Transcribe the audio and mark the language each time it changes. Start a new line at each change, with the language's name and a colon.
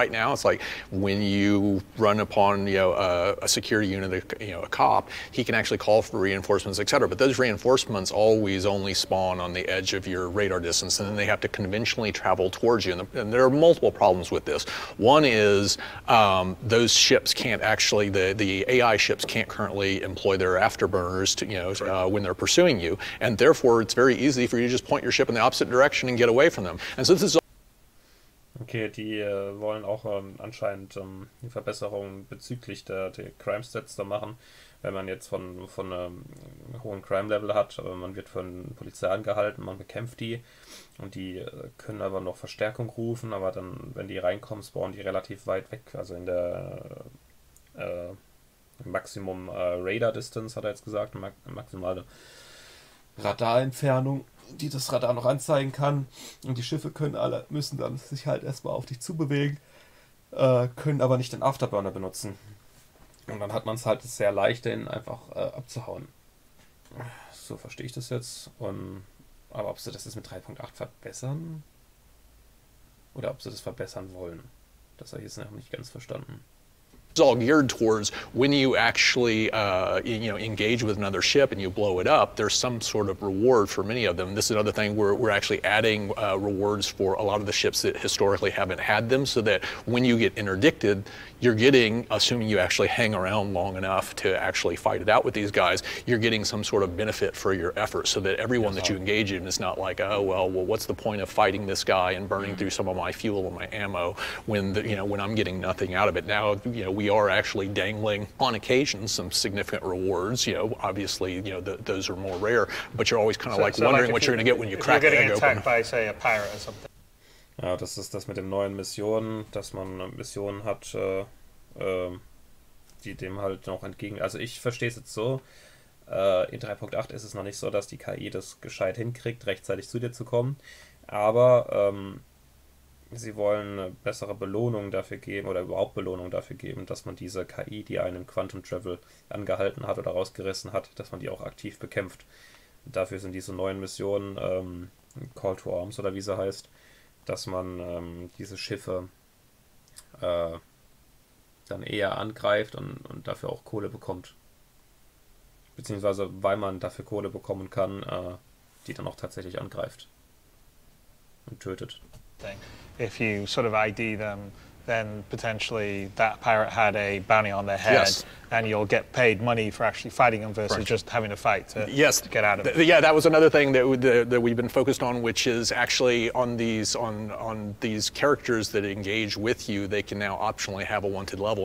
English: Right now, it's like when you run upon, you know, a security unit, a cop, he can actually call for reinforcements, et cetera. But those reinforcements always only spawn on the edge of your radar distance, and then they have to conventionally travel towards you. And there are multiple problems with this. One is those ships can't actually, the AI ships can't currently employ their afterburners to, when they're pursuing you. And therefore, it's very easy for you to just point your ship in the opposite direction and get away from them. And so this is
German: okay, die wollen auch anscheinend eine Verbesserung bezüglich der Crime-Stats da machen. Wenn man jetzt von einem hohen Crime-Level hat, man wird von Polizei angehalten, man bekämpft die und die können aber noch Verstärkung rufen, aber dann, wenn die reinkommen, spawnen die relativ weit weg, also in der Maximum Radar Distance, hat er jetzt gesagt, maximale Radarentfernung, die das Radar noch anzeigen kann, und die Schiffe können alle, müssen dann sich halt erstmal auf dich zubewegen, können aber nicht den Afterburner benutzen. Und dann hat man es halt sehr leicht, den einfach abzuhauen. So verstehe ich das jetzt. Aber ob sie das jetzt mit 3.8 verbessern? Oder ob sie das verbessern wollen? Das habe ich jetzt noch nicht ganz verstanden.
English: It's all geared towards when you actually engage with another ship and you blow it up, there's some sort of reward for many of them. This is another thing where we're actually adding rewards for a lot of the ships that historically haven't had them, so that when you get interdicted, you're getting, assuming you actually hang around long enough to actually fight it out with these guys, you're getting some sort of benefit for your effort, so that everyone that you engage in is not like, oh, well, what's the point of fighting this guy and burning through some of my fuel and my ammo when I'm getting nothing out of it. Now, we are actually dangling on occasion some significant rewards. Obviously, those are more rare, but you're always kind of wondering what you're going to get when you crack the egg open. You're getting attacked by, say, a pirate or something.
German: Ja, das ist das mit den neuen Missionen, dass man Missionen hat, die dem halt noch entgegen... Also ich verstehe es jetzt so, in 3.8 ist es noch nicht so, dass die KI das gescheit hinkriegt, rechtzeitig zu dir zu kommen, aber sie wollen eine bessere Belohnung dafür geben oder überhaupt Belohnung dafür geben, dass man diese KI, die einen Quantum Travel angehalten hat oder rausgerissen hat, dass man die auch aktiv bekämpft. Dafür sind diese neuen Missionen, Call to Arms oder wie sie heißt, dass man diese Schiffe dann eher angreift und dafür auch Kohle bekommt. Beziehungsweise, weil man dafür Kohle bekommen kann, die dann auch tatsächlich angreift und tötet.
English: If you sort of ID them, then potentially that pirate had a bounty on their head, yes, and you'll get paid money for actually fighting them versus right, just having to fight to, yes, to get out of it. Yeah, that was another thing that we've been focused on, which is actually on these characters that engage with you, they can now optionally have a wanted level.